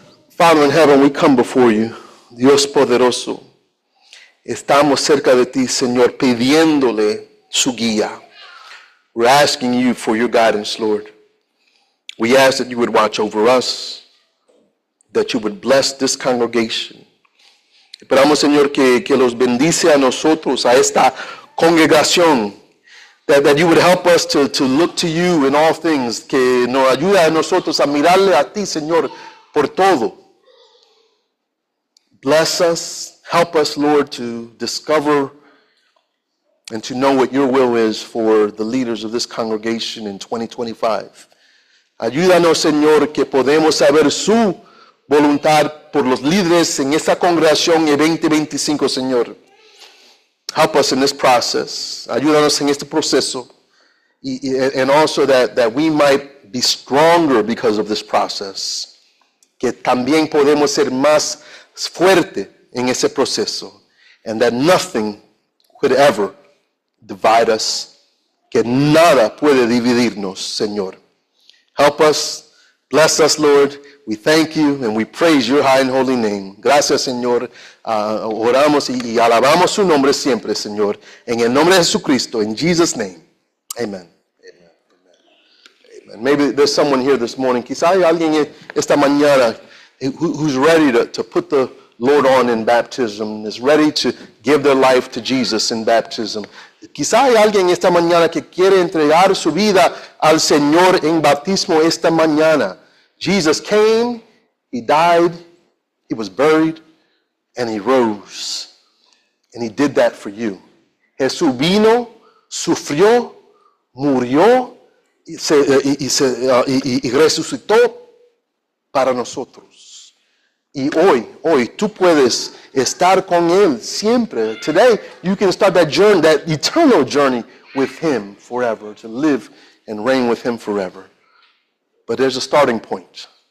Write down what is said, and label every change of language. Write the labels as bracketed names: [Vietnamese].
[English] Father in heaven, we come before you. [Spanish] Dios poderoso, estamos cerca de ti, Señor, pidiéndole su guía. [English] We're asking you for your guidance, Lord. We ask that you would watch over us, that you would bless this congregation. [Spanish] Esperamos, Señor, que los bendice a nosotros, a esta congregación. [English] That you would help us to look to you in all things. [Spanish] Que nos ayude a nosotros a mirarle a ti, Señor, por todo. [English] Bless us. Help us, Lord, to discover and to know what your will is for the leaders of this congregation in 2025. [Spanish] Ayúdanos, Señor, que podemos saber su voluntad por los líderes en esta congregación en 2025, Señor. [English] Help us in this process. [Spanish] Ayúdanos en este proceso. [English] And also that we might be stronger because of this process. [Spanish] Que también podemos ser más fuerte en ese proceso. [English] And that nothing could ever divide us. [Spanish] Que nada puede dividirnos, Señor. [English] Help us. Bless us, Lord. We thank you and we praise your high and holy name. [Spanish] Gracias, Señor. Oramos y alabamos su nombre siempre, Señor. En el nombre de Jesucristo, [English] in Jesus' name. Amen. Amen. Amen. Amen. Maybe there's someone here this morning. [Spanish] Quizá hay alguien esta mañana [English] who's ready to put the Lord on in baptism, is ready to give their life to Jesus in baptism. [Spanish] Quizá hay alguien esta mañana que quiere entregar su vida al Señor en bautismo esta mañana. [English] Jesus came, he died, he was buried, and he rose. And he did that for you. [Spanish] Jesús vino, sufrió, murió, y resucitó para nosotros. Y hoy, tú puedes estar con él siempre. [English] Today, you can start that journey, that eternal journey with him forever, to live and reign with him forever. But there's a starting point.